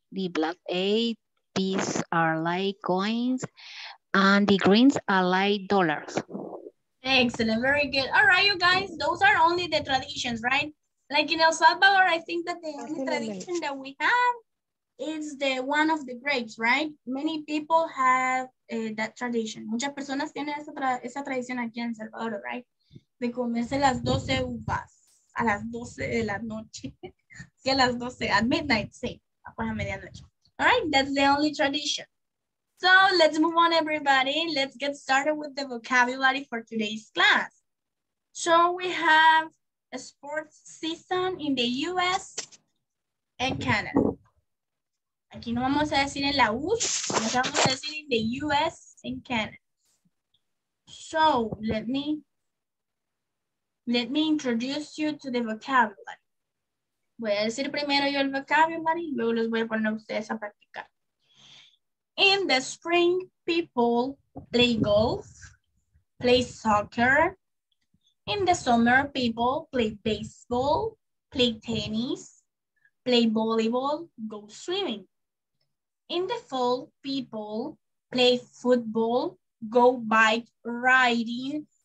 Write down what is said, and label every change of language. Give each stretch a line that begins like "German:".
English: The black ate peas are like coins. And the greens are like dollars. Excellent, very good. All right, you guys, those are only the traditions, right? Like in El Salvador, I think that the only tradition that we have is the one of the grapes, right? Many people have that tradition.
Spanish: Muchas personas tienen esa tradición aquí en El Salvador,
English: right?
Spanish: De comerse las 12 uvas a las 12 de la noche. Sí, a las 12,
English: at midnight,
Spanish: sí, a la medianoche.
English: All right, that's the only tradition. So let's move on, everybody. Let's get started with the vocabulary for today's class. So we have a sports season in the US and Canada.
Spanish: Aquí no vamos a decir en la U, nos vamos a decir
English: in the US and Canada. So let me introduce you to the vocabulary.
Spanish: Voy a decir primero yo el vocabulary, luego les voy a poner a ustedes a practicar.
English: In the spring, people play golf, play soccer. In the summer, people play baseball, play tennis, play volleyball, go swimming. In the fall, people play football, go bike riding.